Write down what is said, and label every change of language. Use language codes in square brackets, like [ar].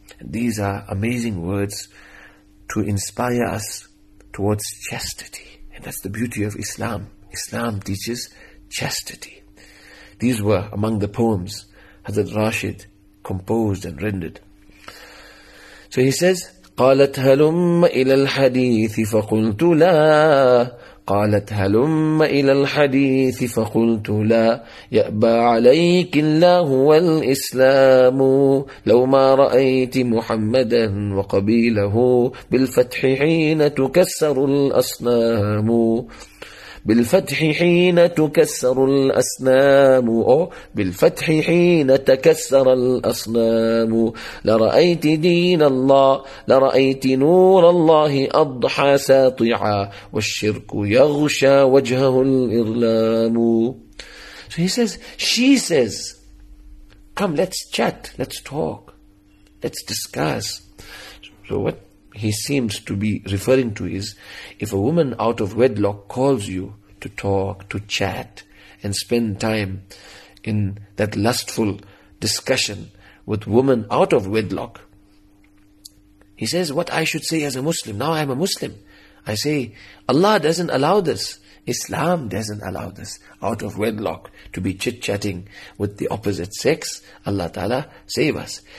[en] These are amazing words to inspire us towards chastity. And that's the beauty of Islam. Islam teaches chastity. These were among the poems Hazrat Rashid composed and rendered. So he says, [ar] قالت هلم إلى الحديث فقلت لا قالت هلم إلى الحديث فقلت لا يأبى عليك الله والإسلام لو ما رأيت محمدا وقبيله بالفتح حين تكسر الأصنام بالفتح حين تكسر الأصنام أو بالفتح حين تكسر الأصنام لرأيت دين الله لرأيت نور الله أضحى ساطعا والشرك يغشى وجهه الإظلام. [en] So he says, she says, come, let's chat, let's talk, let's discuss. So what he seems to be referring to is, if a woman out of wedlock calls you to talk, to chat, and spend time in that lustful discussion with woman out of wedlock, he says, what I should say as a Muslim, now I'm a Muslim, I say, Allah doesn't allow this, Islam doesn't allow this, out of wedlock, to be chit-chatting with the opposite sex, Allah Ta'ala, save us.